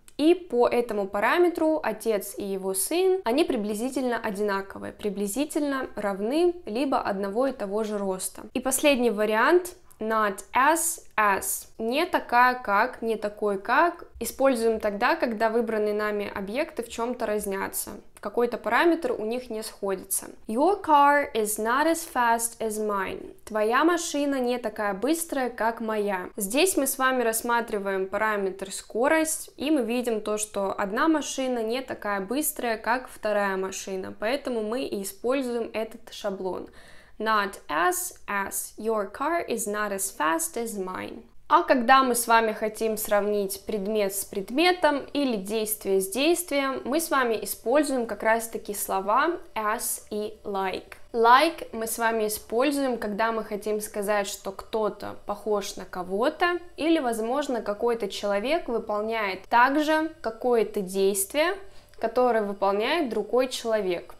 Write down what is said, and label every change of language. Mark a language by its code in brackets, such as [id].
[ru] И по этому параметру отец и его сын, они приблизительно одинаковые, приблизительно равны либо одного и того же роста. И последний вариант, not as, as, не такая как, не такой как, используем тогда, когда выбранные нами объекты в чем-то разнятся, какой-то параметр у них не сходится. [en] Your car is not as fast as mine. [ru] Твоя машина не такая быстрая, как моя. Здесь мы с вами рассматриваем параметр скорость, и мы видим то, что одна машина не такая быстрая, как вторая машина, поэтому мы и используем этот шаблон. [en] Not as, as. Your car is not as fast as mine. [ru] А когда мы с вами хотим сравнить предмет с предметом или действие с действием, мы с вами используем как раз таки слова as и like. Like мы с вами используем, когда мы хотим сказать, что кто-то похож на кого-то, или, возможно, какой-то человек выполняет также какое-то действие, которое выполняет другой человек.